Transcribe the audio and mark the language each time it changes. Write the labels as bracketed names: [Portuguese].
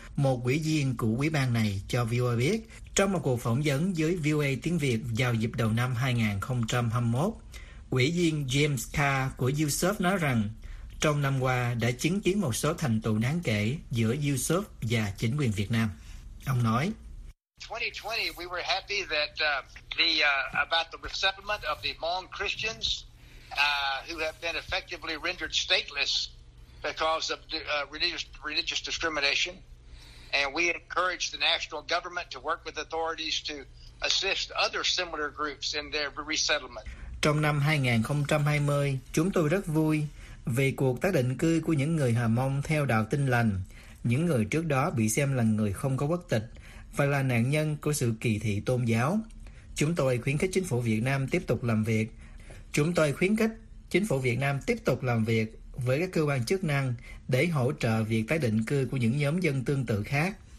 [Vietnamese] Một ủy viên của ủy ban này cho VOA biết, trong một cuộc phỏng vấn với VOA tiếng Việt vào dịp đầu năm 2021, ủy viên James Carr của USOF nói rằng, trong năm qua đã chứng kiến một số thành tựu đáng kể giữa USOF và chính quyền Việt Nam. Ông nói, [English] 2020, we were happy that about the resettlement of the Hmong Christians who have been effectively rendered stateless because of religious discrimination, and we encouraged the national government to work with authorities to assist other similar groups in their resettlement. [Vietnamese] Trong năm 2020, chúng tôi rất vui vì cuộc tái định cư của những người Hà Mông theo đạo Tin Lành, những người trước đó bị xem là người không có quốc tịch và là nạn nhân của sự kỳ thị tôn giáo. Chúng tôi khuyến khích chính phủ Việt Nam tiếp tục làm việc. Chúng tôi khuyến khích chính phủ Việt Nam tiếp tục làm việc với các cơ quan chức năng để hỗ trợ việc tái định cư của những nhóm dân tương tự khác.